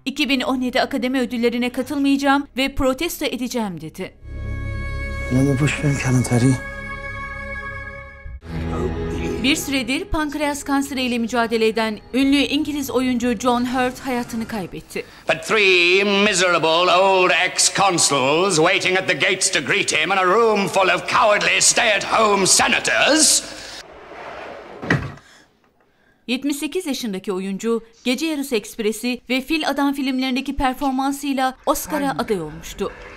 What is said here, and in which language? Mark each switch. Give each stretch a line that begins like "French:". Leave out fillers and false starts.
Turkish: 2017 Akademi Ödülleri'ne katılmayacağım ve protesto edeceğim dedi. Bir süredir pankreas kanseri ile mücadele eden ünlü İngiliz oyuncu John Hurt hayatını kaybetti.
English: But three miserable old ex-consuls waiting at the gates to greet him in a room full of cowardly stay-at-home senators...
Turkish: 78 yaşındaki oyuncu, Gece Yarısı Ekspresi ve Fil Adam filmlerindeki performansıyla Oscar'a aday olmuştu.